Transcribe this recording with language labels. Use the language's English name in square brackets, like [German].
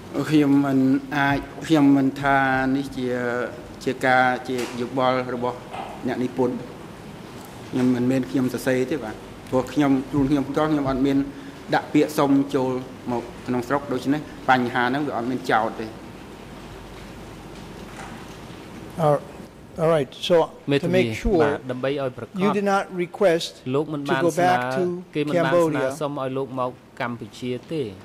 [Khmer] ខ្ញុំមិនអាចខ្ញុំមិនថានេះជាការជាយោបល់របស់អ្នកនិពន្ធខ្ញុំមិនមែនខ្ញុំសរសេរទេបាទព្រោះខ្ញុំខ្លួនខ្ញុំផ្ទាល់ខ្ញុំអត់មានដាក់ពាក្យសុំចូលមកក្នុងស្រុកដូច្នេះបញ្ហាហ្នឹងវាអត់មានចោតទេ [English] All right, so to make sure, you did not request to go back to Cambodia [Khmer] សុំឲ្យលោកមកកម្ពុជាទេ